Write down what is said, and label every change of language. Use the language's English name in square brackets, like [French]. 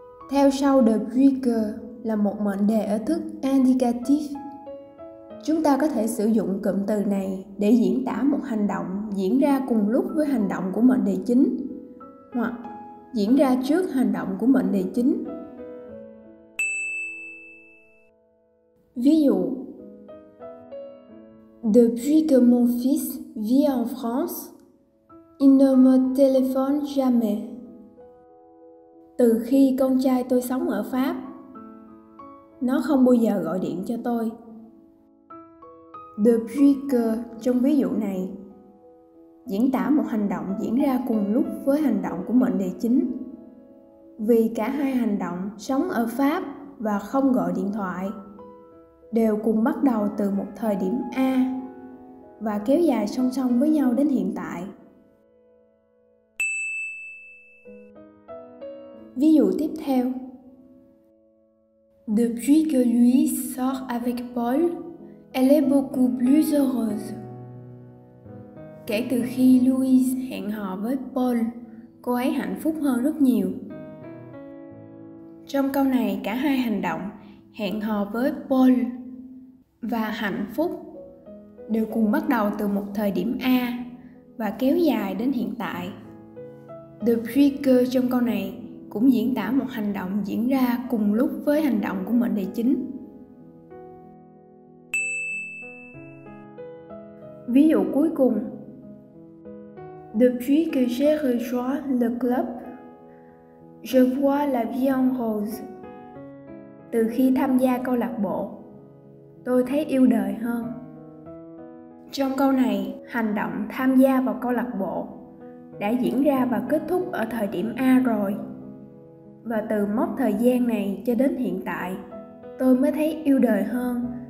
[Vietnamese] Theo sau depuis que là một mệnh đề ở thức indicatif. Chúng ta có thể sử dụng cụm từ này để diễn tả một hành động diễn ra cùng lúc với hành động của mệnh đề chính hoặc diễn ra trước hành động của mệnh đề chính. Ví dụ: [French] Depuis que mon fils vit en France, il ne me téléphone jamais. [Vietnamese] Từ khi con trai tôi sống ở Pháp, nó không bao giờ gọi điện cho tôi. Depuis que trong ví dụ này diễn tả một hành động diễn ra cùng lúc với hành động của mệnh đề chính. Vì cả hai hành động sống ở Pháp và không gọi điện thoại đều cùng bắt đầu từ một thời điểm A và kéo dài song song với nhau đến hiện tại. Ví dụ tiếp theo: [French] Depuis que Louise sort avec Paul, elle est beaucoup plus heureuse. [Vietnamese] Kể từ khi Louise hẹn hò với Paul, cô ấy hạnh phúc hơn rất nhiều. Trong câu này, cả hai hành động hẹn hò với Paul và hạnh phúc đều cùng bắt đầu từ một thời điểm A và kéo dài đến hiện tại. Depuis que trong câu này cũng diễn tả một hành động diễn ra cùng lúc với hành động của mệnh đề chính. Ví dụ cuối cùng: [French] Depuis que j'ai rejoint le club, je vois la vie en rose. [Vietnamese] Từ khi tham gia câu lạc bộ, tôi thấy yêu đời hơn. Trong câu này, hành động tham gia vào câu lạc bộ đã diễn ra và kết thúc ở thời điểm A rồi. Và từ mốc thời gian này cho đến hiện tại, tôi mới thấy yêu đời hơn.